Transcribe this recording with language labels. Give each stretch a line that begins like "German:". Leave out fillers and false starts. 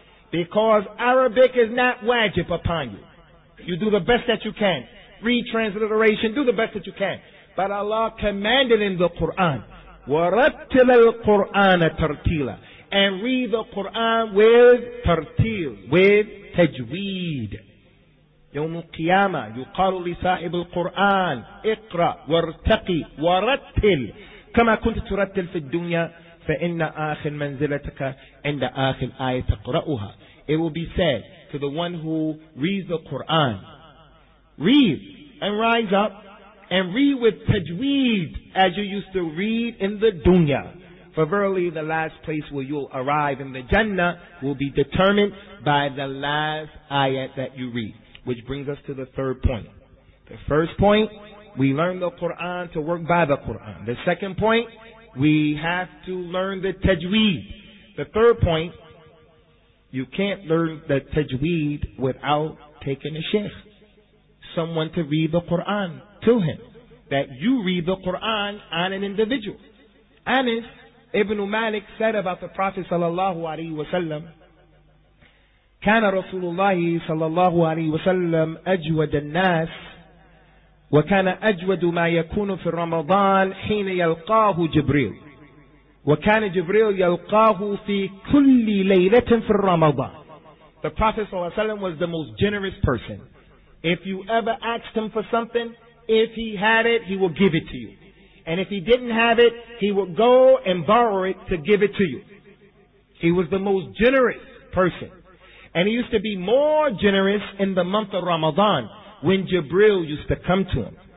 English: Because Arabic is not wajib upon you. You do the best that you can. Read transliteration, do the best that you can. But Allah commanded in the Qur'an,
Arabic: وَرَتِّلَ الْقُرْآنَ تَرْتِيلًا.
English: And read the Qur'an with tartil, with tajweed.
Arabic: يوم القيامة يقال لصاحب القرآن اقرأ وارتقي ورتل كما كنت ترتل في الدنيا فإن آخر منزلتك عند آخر آية تقرأها.
English: It will be said to the one who reads the Quran, read and rise up and read with tajweed as you used to read in the dunya. For verily the last place where you'll arrive in the Jannah will be determined by the last ayat that you read. Which brings us to the third point. The first point, we learn the Qur'an to work by the Qur'an. The second point, we have to learn the tajweed. The third point, you can't learn the tajweed without taking a sheikh. Someone to read the Qur'an to him. That you read the Qur'an on an individual. Anas ibn Malik said about the Prophet sallallahu alayhi wa sallam,
Arabic: كان رسول الله صلى الله عليه وسلم أجود الناس وكان أجود ما يكون في رمضان حين يلقاه جبريل وكان جبريل يلقاه في كل ليلة في رمضان.
English: The Prophet
Arabic: صلى الله عليه وسلم
English: was the most generous person. If you ever asked him for something, if he had it, he would give it to you. And if he didn't have it, he would go and borrow it to give it to you. He was the most generous person. And he used to be more generous in the month of Ramadan when Jibril used to come to him.